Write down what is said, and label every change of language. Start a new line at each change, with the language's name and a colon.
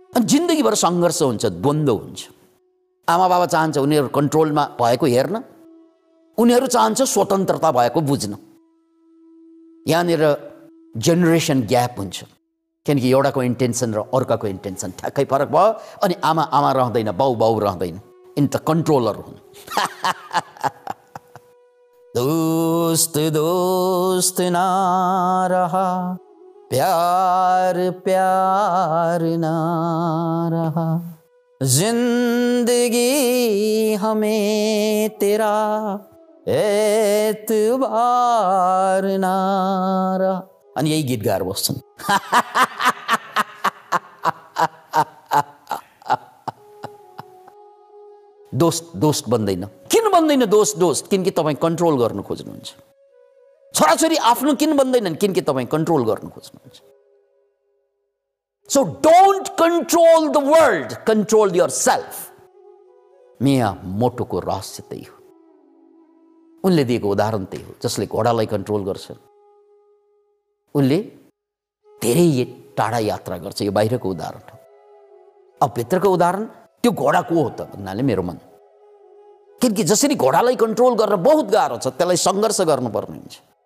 Nepali: जिन्दगीभर सङ्घर्ष हुन्छ, द्वन्द्व हुन्छ. आमा बाबा चाहन्छ उनीहरू कन्ट्रोलमा भएको हेर्न, उनीहरू चाहन्छ स्वतन्त्रता भएको बुझ्न. यहाँनिर जेनेरेसन ग्याप हुन्छ, किनकि एउटाको इन्टेन्सन र अर्काको इन्टेन्सन ठ्याक्कै फरक भयो. अनि आमा आमा रहँदैन, बाउ बाउ रहँदैन, इन त कन्ट्रोलर हुन्.
Hindi: दोस्त दोस्त ना रहा, प्यार प्यार ना रहा, जिंदगी हमें तेरा एतबार ना रहा.
Nepali: अनि यही गीत गाएर बस्छन्. दोस्त दोस्त बन्दैन. किन बन्दैन दोस्त दोस्त? किनकि तपाईँ कन्ट्रोल गर्नु खोज्नुहुन्छ. छोराछोरी आफ्नो किन बन्दैनन्? किनकि तपाईँ कन्ट्रोल गर्नु खोज्नुहुन्छ.
English: So don't control the world, control yourself.
Nepali: मिया मोटोको रहस्य त्यही हो. उनले दिएको उदाहरण त्यही हो. जसले घोडालाई कन्ट्रोल गर्छ, उनले धेरै टाढा यात्रा गर्छ. यो बाहिरको उदाहरण हो. अब भित्रको उदाहरण, त्यो घोडा को हो त भन्नाले, मेरो मन. किनकि जसरी घोडालाई कन्ट्रोल गर्न बहुत गाह्रो छ, त्यसलाई सङ्घर्ष गर्नुपर्ने हुन्छ.